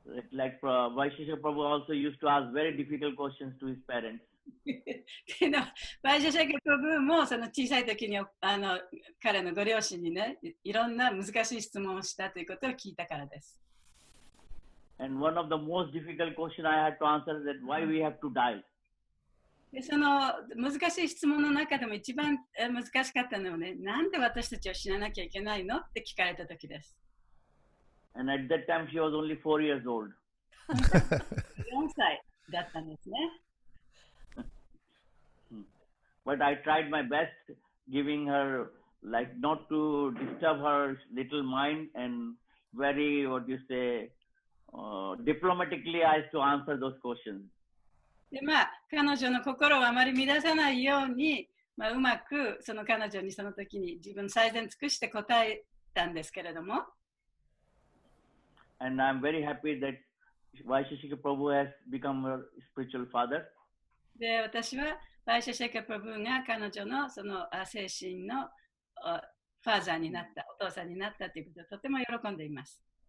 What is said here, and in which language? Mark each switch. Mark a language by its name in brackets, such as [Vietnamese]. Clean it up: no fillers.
[English] Like バイシャシェカ Prabhu also used to ask very difficult questions to his parents. [Japanese] バイシャシェカ Prabhu もその小さいときにあの彼のご両親にね、いろんな難しい質問をしたということを聞いたからです。 [English] And one of the most difficult questions I had to answer is that why we have to die. [Japanese] でその難しい質問の中でも一番難しかったのはね、なんで私たちは死ななきゃいけないのって聞かれた時です。 [English] And at that time she was only 4 years old. [Japanese] 4歳だったんですね。 [English] But I tried my best giving her, like not to disturb her little mind and very, what you say,diplomatically, I used to answer those questions. [Japanese] で、まあ、彼女の心をあまり乱さないように、まあ、うまくその彼女にその時に自分最善尽くして答えたんですけれども。 [English] And I'm very happy that Vaisheshika Prabhu has become her spiritual father. [Japanese] で、私は Vaisheshika Prabhu が彼女のその精神のファーザーになった、お父さんになったということをとても喜んでいます。